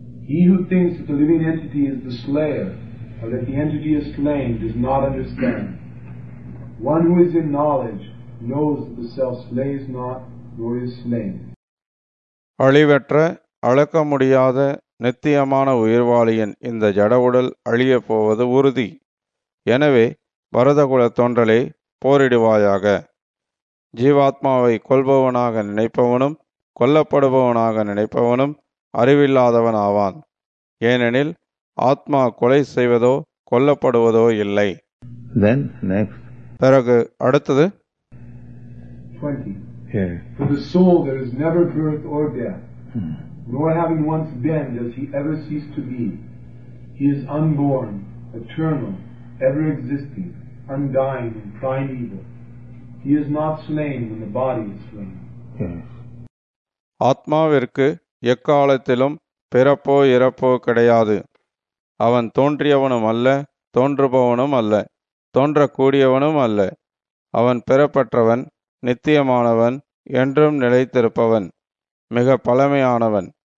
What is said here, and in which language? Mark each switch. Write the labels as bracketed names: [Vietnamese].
[English] He who thinks that the living entity is the slayer, or that the entity is slain, does not understand. One who is in knowledge knows that the self slays not, nor is slain. [Tamil] அழிவற்ற, அளக்க முடியாத நித்தியமான உயிர்வாளியின் இந்த ஜட உடல் அழிய போவது உறுதி. எனவே பரதகுல தோன்றலே, போரிடுவாயாக. ஜீவாத்மாவை கொல்பவனாக நினைப்பவனும் கொல்லப்படுபவனாக நினைப்பவனும் அறிவில்லாதவன் ஆவான். ஏனெனில் ஆத்மா கொலை செய்வதோ கொல்லப்படுவதோ இல்லை. [English] Then next. [Tamil] பிறகு அடுத்தது [English] 20. For the soul there is never birth or death, nor having once been does he ever cease to be. He is unborn, eternal, ever existing, undying and primeval. He is not slain when the body is slain. [Tamil] ஆத்மாவிற்கு எக்காலத்திலும் பிறப்போ இறப்போ கிடையாது. அவன் தோன்றியவனும் அல்ல, தோன்றுபவனும் அல்ல, தோன்றக்கூடியவனும் அல்ல. அவன் பிறப்பற்றவன், நித்தியமானவன், என்றும் நிலைத்திருப்பவன், மிக பழமையானவன்.